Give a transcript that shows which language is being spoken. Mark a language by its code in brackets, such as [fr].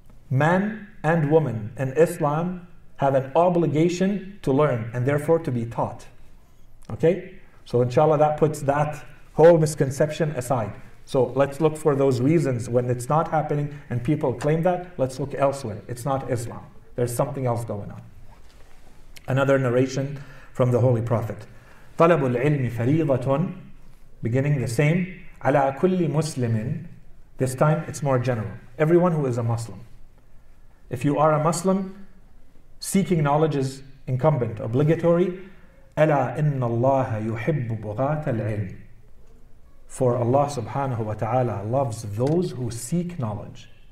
[en] Men and women in Islam have an obligation to learn and therefore to be taught. Okay? So inshallah that puts that whole misconception aside. So let's look for those reasons when it's not happening and people claim that. Let's look elsewhere. It's not Islam. There's something else going on. Another narration from the Holy Prophet. [ar] طَلَبُ الْعِلْمِ فَرِيضَةٌ, [en] beginning the same, [ar] عَلَىٰ كُلِّ مُسْلِمٍ. [en] This time it's more general. Everyone who is a Muslim. If you are a Muslim, seeking knowledge is incumbent, obligatory. [ar] أَلَا إِنَّ اللَّهَ يُحِبُّ بُغَاتَ الْعِلْمِ. [en] For Allah subhanahu wa ta'ala loves those who seek knowledge.